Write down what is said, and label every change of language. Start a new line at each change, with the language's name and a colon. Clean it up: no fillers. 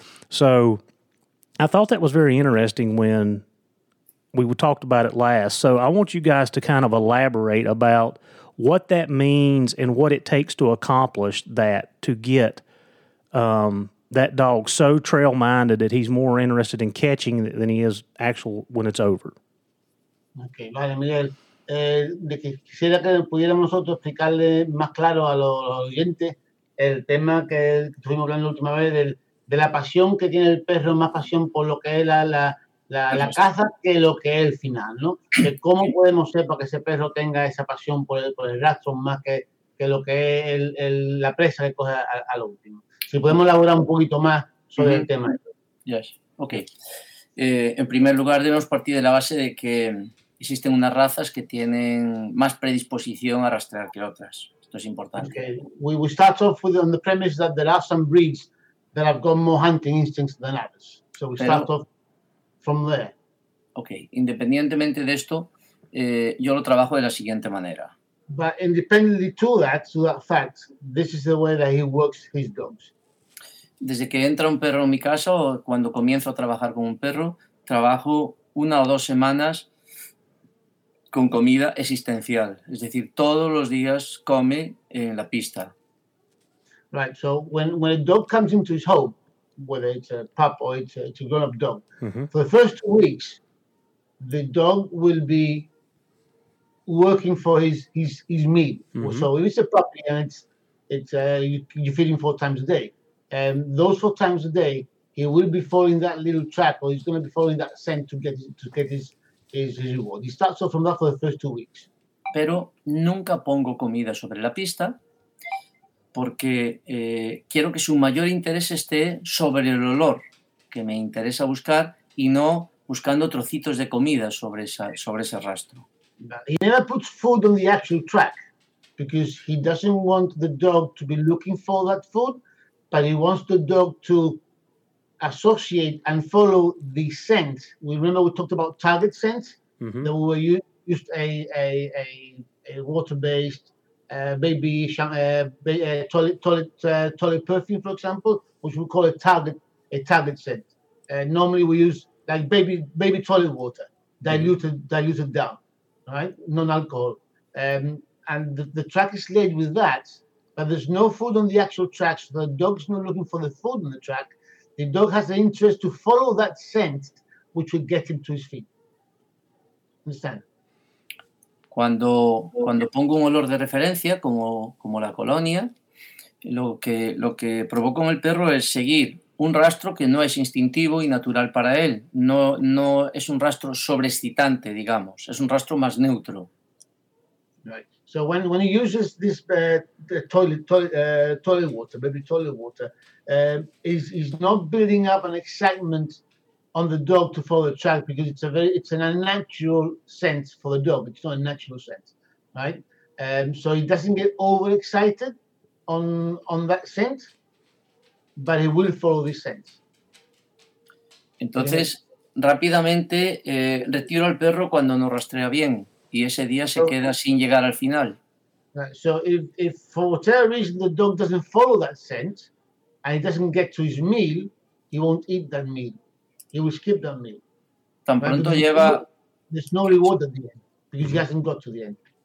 English: So I thought that was very interesting when we talked about it last. So I want you guys to kind of elaborate about what that means and what it takes to accomplish that, to get that dog so trail-minded that he's more interested in catching than he is actual when it's over.
Spanish: Okay, vale, Miguel. De que quisiera que pudiéramos nosotros explicarle más claro a los oyentes el tema que estuvimos hablando la última vez de la pasión que tiene el perro, más pasión por lo que es la caza que lo que es el final, ¿no? De cómo podemos ser para que ese perro tenga esa pasión por el rastro más que lo que es la presa que coge a lo último. Si podemos elaborar un poquito más sobre el tema.
English: Yes, okay.
Spanish: En primer lugar, debemos partir de la base de que existen unas razas que tienen más predisposición a rastrear que otras. Esto es importante.
English: Okay. We start off with on the premise that there are some breeds that have got more hunting instincts than others. So we start off from there. Okay.
Spanish: Independientemente de esto, yo lo trabajo de la siguiente manera.
English: But independently to that fact, this is the way that he works his dogs.
Spanish: Desde que entra un perro en mi casa o cuando comienzo a trabajar con un perro, trabajo una o dos semanas con comida existencial. Es decir, todos los días come en la pista.
English: Right, so when a dog comes into his home, whether it's a pup or it's a grown-up dog, for the first 2 weeks, the dog will be working for his meat. Mm-hmm. So if it's a puppy and you feed him 4 times a day, and those 4 times a day, he will be following that little track, or he's going to be following that scent to get his reward. He starts off from that for the first 2 weeks.
Spanish: Pero nunca pongo comida sobre la pista porque quiero que su mayor interés esté sobre el olor que me interesa buscar y no buscando trocitos de comida sobre ese rastro.
English: He never puts food on the actual track because he doesn't want the dog to be looking for that food. But he wants the dog to associate and follow the scent. We remember we talked about target scent. Mm-hmm. That we used a water-based toilet perfume, for example, which we call a target scent. Normally we use like baby toilet water diluted down, right? Non-alcohol, and the track is laid with that. But there's no food on the actual track, so the dog's not looking for the food on the track. The dog has the interest to follow that scent, which will get him to his feet. Understand?
Spanish: Cuando pongo un olor de referencia, como la colonia, lo que provoco en el perro es seguir un rastro que no es instintivo y natural para él. No es un rastro sobreexcitante, digamos. Es un rastro más neutro.
English: Right. So when he uses this toilet water, he's not building up an excitement on the dog to follow the track because it's an unnatural scent for the dog. It's not a natural scent, right? So he doesn't get overexcited on that scent, but he will follow this scent.
Spanish: Entonces, rápidamente retiro al perro cuando no rastrea bien. Y ese día se queda sin llegar al final.
English: Right. So if for whatever reason the dog doesn't follow that scent and he doesn't get to his meal, he won't eat that meal. He will skip that meal.
Spanish: Tan pronto lleva...
English: There's no reward at the end because he hasn't got to the end.